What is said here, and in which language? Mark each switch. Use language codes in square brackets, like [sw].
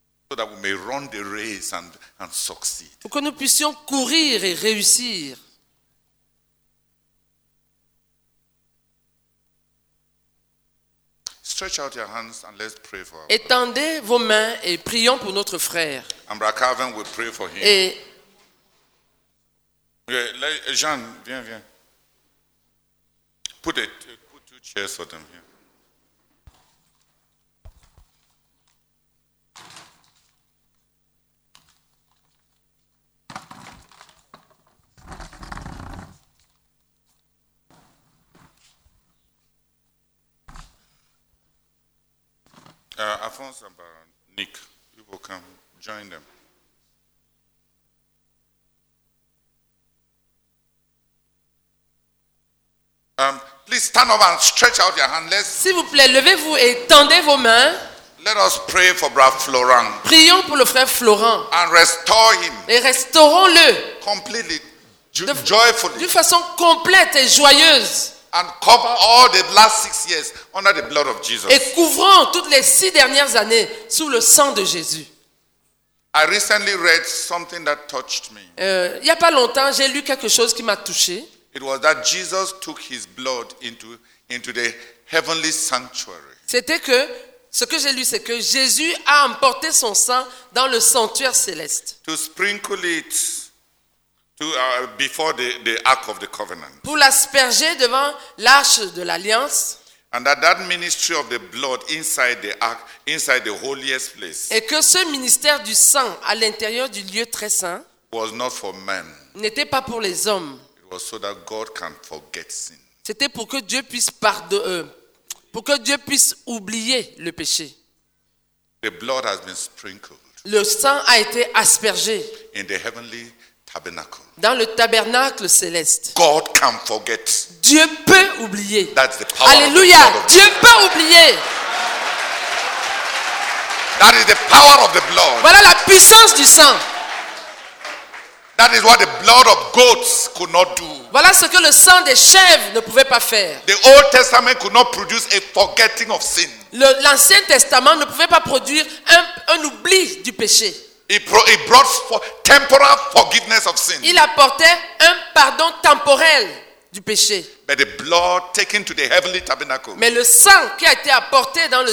[en] So that we may run the race and succeed. [fr] Pour que nous puissions courir et réussir. [en] Stretch out your hands and let's pray for. [fr] Étendez vos mains et prions pour notre frère. [en] And Brother Calvin will pray for him. [fr] Et [en] okay, Jean, viens. Put two chairs for them here. Alphonse and Nick, you will come join them. Please stand up and stretch out your hand. [fr] S'il vous plaît, levez-vous et tendez vos mains. [en] Let us pray for Brother Florent. [fr] Prions pour le frère Florent. [en] And restore him. [fr] Et restaurons-le. [en] Completely, joyfully. [fr] D'une façon complète et joyeuse. [en] And cover all the last 6 years under the blood of Jesus. [fr] Et couvrant toutes les 6 dernières années sous le sang de Jésus. [en] I recently read something that touched me. [fr] Il y a pas longtemps, j'ai lu quelque chose qui m'a touché. [en] It was that Jesus took his blood into the heavenly sanctuary. [fr] C'était que ce que j'ai lu, c'est que Jésus a emporté son sang dans le sanctuaire céleste. [en] To sprinkle it to before the ark of the covenant. [fr] Pour l'asperger devant l'arche de l'alliance. [en] And that ministry of the blood inside the ark, inside the holiest place. [fr] Et que ce ministère du sang à l'intérieur du lieu très saint [en] was not for men. [fr] N'était pas pour les hommes. [en] It was so that God can forget sin. [fr] C'était pour que Dieu puisse pour que Dieu puisse oublier le péché. [en] The blood has been sprinkled. [fr] Le sang a été aspergé. [en] In the heavenly tabernacle. [fr] Dans le tabernacle céleste. [en] God can forget. [fr] Dieu peut oublier. [en] That's the power. [fr] Alléluia. [en] Of the blood of [fr] Dieu peut oublier. [en] That is the power of the blood. [fr] Voilà la puissance du sang. [en] That is what the blood of goats could not do. [fr] Voilà ce que le sang des chèvres ne pouvait pas faire. [en] The Old Testament could not produce a forgetting of sin. [fr] L'Ancien Testament ne pouvait pas produire un oubli du péché. [en] It brought for temporal forgiveness of sin. [fr] Il apportait un pardon temporel du péché. [en] But the blood taken to the heavenly tabernacle. [fr] Mais le sang qui a été apporté dans le